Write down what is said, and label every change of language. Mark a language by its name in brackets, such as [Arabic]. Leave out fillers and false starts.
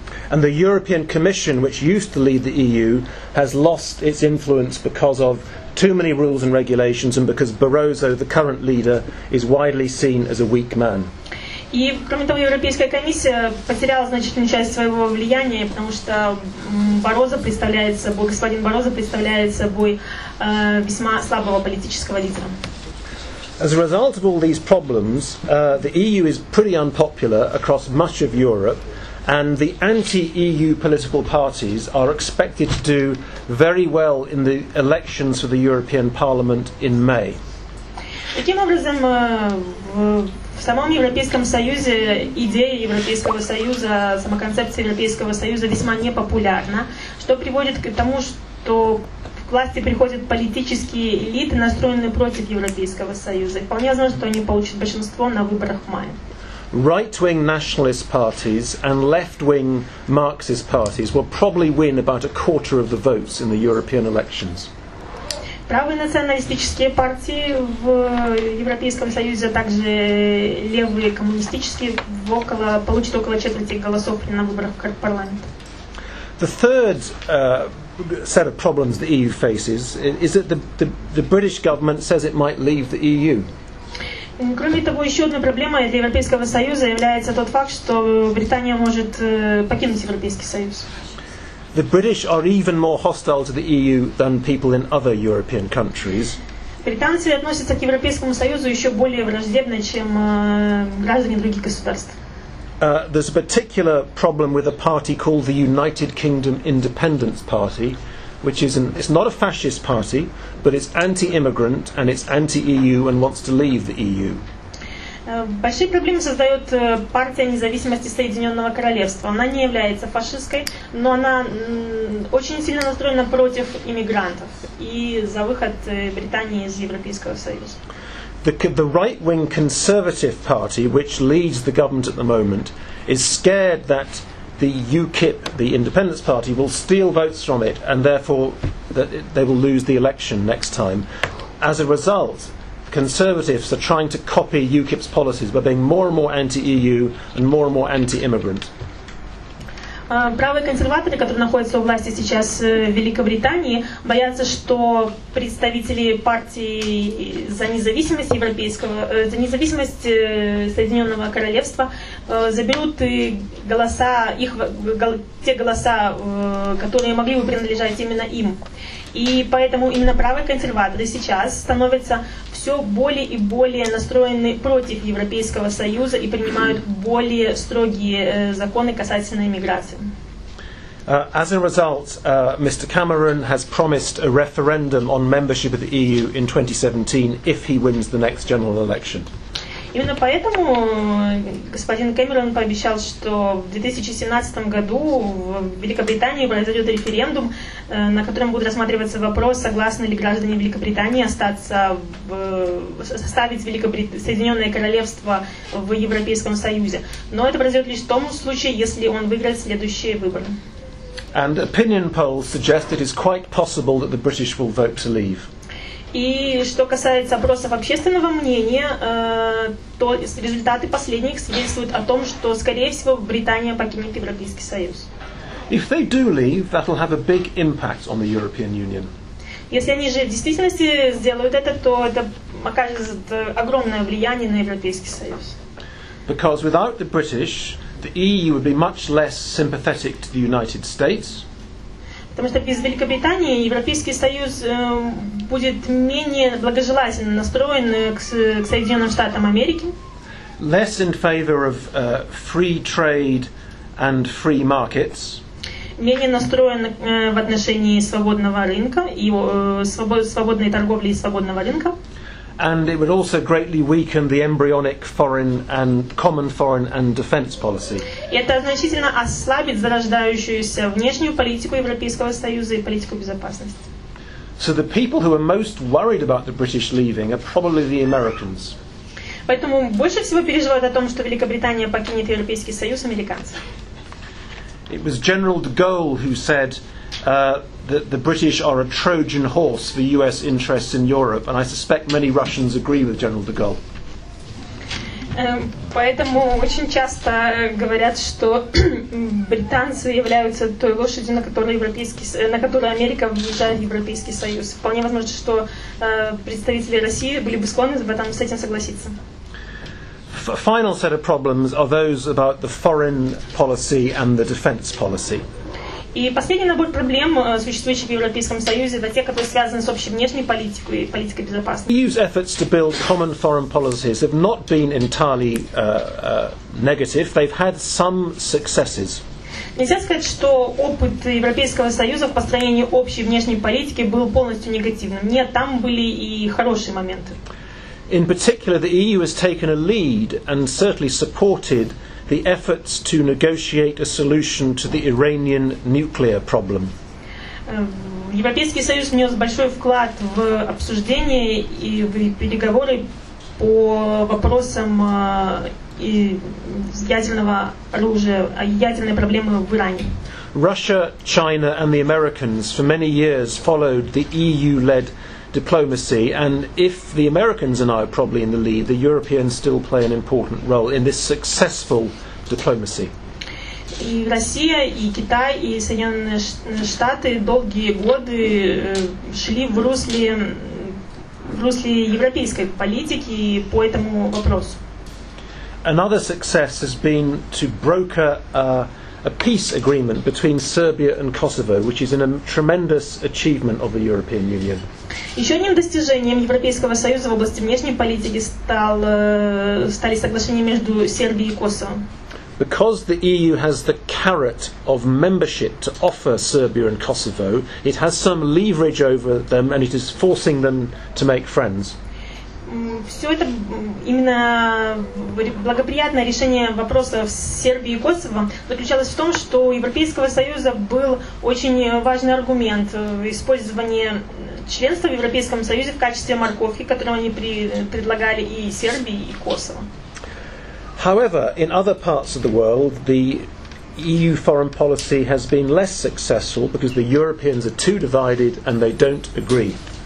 [English] And the European Commission, which used to lead the EU, has lost its influence because of too many rules and regulations and because Barroso, the current leader, is widely seen as a weak man. [Russian] И, кроме того, Европейская комиссия потеряла значительную часть своего влияния, потому что господин Барозо представляет собой весьма слабого политического лидера. [English] As a result of all these problems, the EU is pretty unpopular across much of Europe, and the anti-EU political parties are expected to do very well in the elections for the European Parliament in May. [Russian] Таким образом, в самом Европейском Союзе идея Европейского Союза, сама концепция Европейского Союза весьма непопулярна, что приводит к тому, что к власти приходят политические элиты, настроенные против Европейского Союза. Вполне возможно, что они получат большинство на выборах в мае. [English] Right-wing nationalist parties and left-wing Marxist parties will probably win about a quarter of the votes in the European elections. [Russian] Правые националистические партии в Европейском Союзе, а также левые коммунистические, получат около четверти голосов на выборах парламента. [English] The third set of problems the EU faces is that the British government says it might leave the EU. [Russian] Кроме того, еще одна проблема для Европейского Союза является тот факт, что Британия может покинуть Европейский Союз. [English] The British are even more hostile to the EU than people in other European countries. [Russian] Британцы относятся к Европейскому Союзу еще более враждебно, чем граждане других государств. [English] There's a particular problem with a party called the United Kingdom Independence Party, which it's not a fascist party, but it's anti-immigrant and it's anti-EU and wants to leave the EU. [Russian] Большие проблемы создает партия независимости Соединенного Королевства. Она не является фашистской, но она очень сильно настроена против иммигрантов и за выход Британии из Европейского Союза. [English] The right-wing conservative party, which leads the government at the moment, is scared that the UKIP, the independence party, will steal votes from it and therefore that they will lose the election next time. As a result, conservatives are trying to copy UKIP's policies by being more and more anti-EU and more anti-immigrant. [Russian] Правые консерваторы, которые находятся у власти сейчас в Великобритании, боятся, что представители партии за независимость Соединенного Королевства заберут те голоса, которые могли бы принадлежать именно им. И поэтому именно правые консерваторы сейчас становятся все более и более настроены против Европейского Союза и принимают более строгие законы касательно иммиграции. [English] As a result, Mr. Cameron has promised a referendum on membership of the EU in 2017 if he wins the next general election. [Russian] Именно поэтому господин Кэмерон пообещал, что в 2017 году в Великобритании произойдет референдум, на котором будет рассматриваться вопрос, согласны ли граждане Великобритании оставить Соединенное Королевство в Европейском Союзе. Но это произойдет лишь в том случае, если он выиграет следующие выборы. [English] And opinion polls suggest it is quite possible that the British will vote to leave. [Russian] И что касается опросов общественного мнения, то результаты последних свидетельствуют о том, что, скорее всего, Британия покинет Европейский Союз. [English] If they do leave, that'll have a big impact on the European Union. [Russian] Если они же в действительности сделают это, то это окажет огромное влияние на Европейский Союз. [English] Because without the British, the EU would be much less sympathetic to the United States. [Russian] Потому что без Великобритании Европейский Союз будет менее благожелательно настроен к Соединенным Штатам Америки. [English] Less in favor of free trade and free markets. [Russian] Менее настроен в отношении свободного рынка и свободной торговли и свободного рынка. [English] And it would also greatly weaken the embryonic foreign and common foreign and defense policy. [Russian] Это значительно ослабит зарождающуюся внешнюю политику Европейского Союза и политику безопасности. [English] So the people who are most worried about the British leaving are probably the Americans. [Russian] Поэтому больше всего переживают о том, что Великобритания покинет Европейский Союз, американцы. [English] It was General de Gaulle who said that the British are a Trojan horse for US interests in Europe, and I suspect many Russians agree with General de Gaulle. [Russian] Поэтому очень часто говорят, что британцы являются той лошадью, на которой Америка въезжает в Европейский Союз. Вполне возможно, что представители России были бы склонны с этим согласиться. [English] Final set of problems are those about the foreign policy and the defense policy. [Russian] И последний набор проблем, существующих в Европейском Союзе, это те, которые связаны с общей внешней политикой и политикой безопасности. [English] EU's efforts to build common foreign policies have not been entirely negative. They've had some successes. [Russian] Нельзя сказать, что опыт Европейского Союза в построении общей внешней политики был полностью негативным. Нет, там были и хорошие моменты. [English] In particular, the EU has taken a lead and certainly supported the efforts to negotiate a solution to the Iranian nuclear problem. [Russian] Европейский Союз внес большой вклад в обсуждение и в переговоры по вопросам ядерного оружия, ядерной проблемы в Иране. [English] Russia, China and the Americans for many years followed the EU-led diplomacy, and if the Americans are now probably in the lead, the Europeans still play an important role in this successful diplomacy. [Russian] И Россия, и Китай, и Соединенные Штаты долгие годы шли в русле европейской политики по этому вопросу. [English] Another success has been to broker a peace agreement between Serbia and Kosovo, which is a tremendous achievement of the European Union. [Russian] Еще одним достижением Европейского Союза в области внешней политики стали соглашения между Сербией и Косово. [English] Because the EU has the carrot of membership to offer Serbia and Kosovo, it has some leverage over them and it is forcing them to make friends. [Russian] Все это именно благоприятное решение вопросов с Сербией и Косово заключалось в том, что у Европейского Союза был очень важный аргумент использования членства в Европейском Союзе в качестве морковки, которую они предлагали и Сербии, и Косово. [English] However, in other parts of the world, the EU foreign policy has been less successful because the Europeans are too divided and they don't agree.